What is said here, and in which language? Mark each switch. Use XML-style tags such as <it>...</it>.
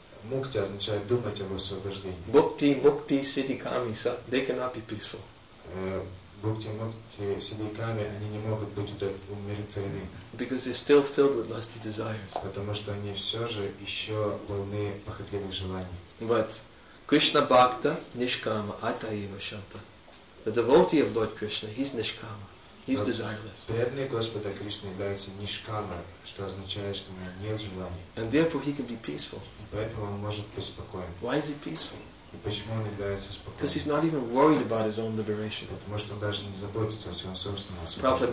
<ru>Mukti означает думать об освобождении.</ru> <en>Mukti, siddhi, kami, they cannot be peaceful.</en> <ru>Mukti, siddhi, kami, они не могут быть умиротворены.</ru> <en>Because they're still filled with lusty desires.</en> <ru>Потому что они все же еще полны похотливых желаний.</ru> <en>But</en> <sa>Krishna bhakta nishkama atayeva shanta.</sa> <en>The devotee of Lord Krishna, he's nishkama. He's desireless.</en> <ru>Преданный Господа Кришны является нишкама, что означает, что у него нет желаний.</ru> <en>And therefore he can be peaceful.</en> <ru>Поэтому он может быть спокоен.</ru> <en>Why is he peaceful?</en> <ru>И почему он является спокойным?</ru> <en>Because he's not even worried about his own liberation.</en> <ru>Потому что он даже не заботится о своем собственном освобождении.</ru>